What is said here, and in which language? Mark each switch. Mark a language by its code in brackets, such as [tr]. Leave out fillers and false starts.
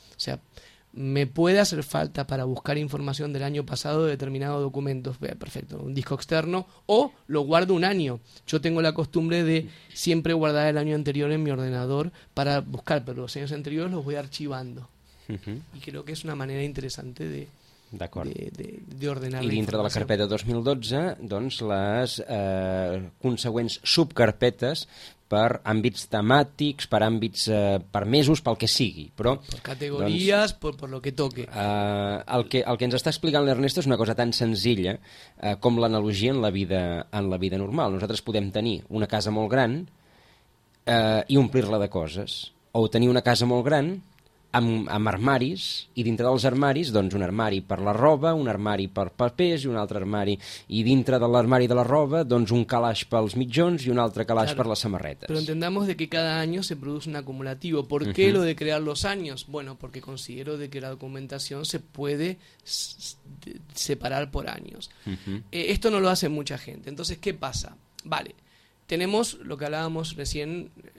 [es] O sea, me puede hacer falta para buscar información del año pasado de determinados documentos, perfecto, un disco externo, o lo guardo un año. Yo tengo la costumbre de siempre guardar el año anterior en mi ordenador para buscar, pero los años anteriores los voy archivando. Y creo que es una manera interesante de [ca] D'acord. D'ordenar. I dintre de la carpeta 2012, doncs, les consegüents subcarpetes per àmbits temàtics, per àmbits permesos, pel que sigui. Però, per categories, doncs, per lo que toque. El que ens està explicant l'Ernesto és una cosa tan senzilla com l'analogia en la vida normal. Nosaltres podem tenir una casa molt gran i omplir-la de coses, o tenir una casa molt gran amb armaris, i dintre dels armaris, doncs, un armari per la roba, un armari per papers i un altre armari, i dintre de l'armari de la roba, doncs, un calaix pels mitjons i un altre calaix, claro, per les samarretes. [es] Pero entendamos de que cada año se produce un acumulativo. ¿Por qué lo de crear los años? Bueno, porque considero de que la documentación se puede separar por años. Esto no lo hace mucha gente. Entonces, ¿qué pasa? Vale, tenemos lo que hablábamos recién.